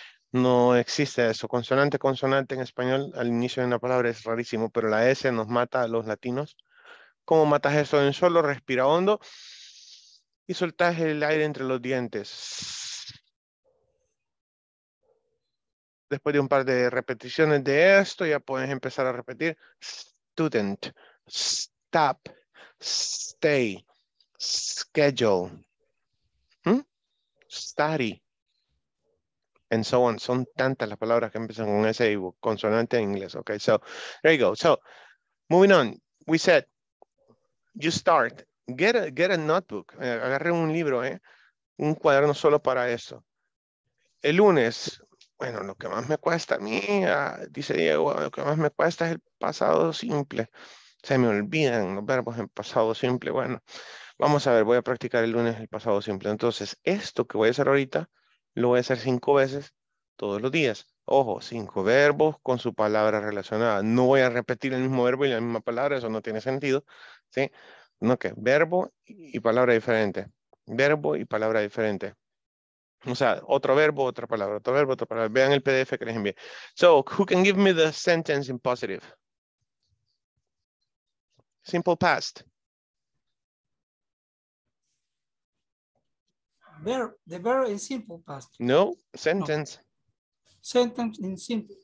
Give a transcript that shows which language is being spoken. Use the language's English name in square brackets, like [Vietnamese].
[Spanish] No existe eso. Consonante, consonante en español al inicio de una palabra es rarísimo, pero la S nos mata a los latinos. ¿Cómo matas eso en solo? Respira hondo. y soltás el aire entre los dientes. Después de un par de repeticiones de esto, ya puedes empezar a repetir. [English] Student, stop, stay, schedule, study, and so on. [Spanish] Son tantas las palabras que empiezan con ese consonante en inglés. [English] Okay, so there you go. So moving on, we said, you start, get a notebook. [Spanish] Agarré un libro, un cuaderno solo para eso. El lunes, bueno, lo que más me cuesta a mí, dice Diego, lo que más me cuesta es el pasado simple. Se me olvidan los verbos en pasado simple. Bueno, vamos a ver, voy a practicar el lunes el pasado simple. Entonces, esto que voy a hacer ahorita, lo voy a hacer 5 veces todos los días. Ojo, 5 verbos con su palabra relacionada. No voy a repetir el mismo verbo y la misma palabra, eso no tiene sentido. ¿Sí? No, que verbo y palabra diferente. Verbo y palabra diferente. O sea, otro verbo, otra palabra, otro verbo, otra palabra. Vean el PDF que les envié. [English] So, who can give me the sentence in positive? Simple past. The verb is simple past. No, sentence. No. Sentence in simple